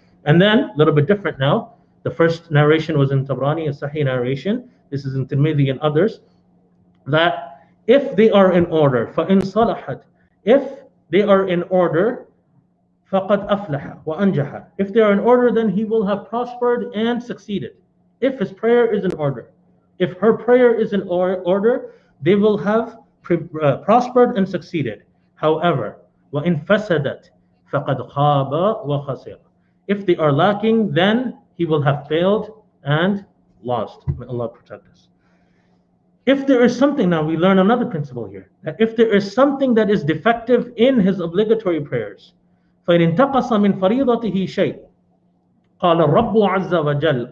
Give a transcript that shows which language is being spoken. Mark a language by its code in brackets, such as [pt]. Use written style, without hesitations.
[en] And then a little bit different now, the first narration was in Tabrani, a sahih narration, this is in Tirmidhi and others, that if they are in order, [ar] fa in salahat, [en] if they are in order, [ar] فَقَدْ أَفْلَحَ وَأَنْجَحَ. [en] If they are in order, then he will have prospered and succeeded. If his prayer is in order, if her prayer is in order, they will have prospered and succeeded. However, [ar] وَإِنْ فَسَدَتْ فَقَدْ خَابَ وَخَسِرَ. [en] If they are lacking, then he will have failed and lost. May Allah protect us. If there is something, now we learn another principle here, that if there is something that is defective in his obligatory prayers, [ar] فَإِنْ انْتَقَصَ مِنْ فَرِيضَتِهِ شَيْءٍ قَالَ الرَّبُّ عَزَّ وَجَلَّ.